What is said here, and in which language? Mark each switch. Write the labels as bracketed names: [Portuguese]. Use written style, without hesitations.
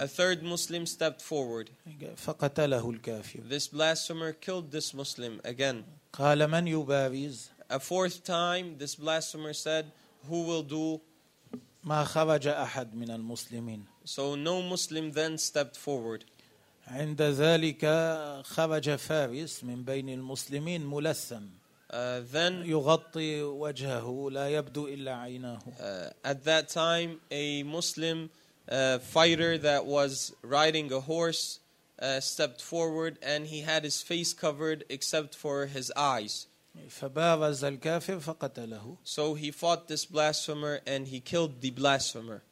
[English] A third Muslim stepped forward. [Arabic] فقتله الكافر. [English] This blasphemer killed this Muslim again. [Arabic] قال من يبارز؟ [English] A fourth time this blasphemer said, "Who will duel?" [Arabic] ما خرج أحد من المسلمين. [English] So no Muslim then stepped forward. [Arabic] عند ذلك خرج فارس من بين المسلمين ملثم. [English] Then [Arabic] يغطي وجهه لا يبدو إلا عيناه. [English] At that time, a Muslim fighter that was riding a horse stepped forward, and he had his face covered except for his eyes. [Arabic] فبارز الكافر فقتله. [English] So he fought this blasphemer and he killed the blasphemer.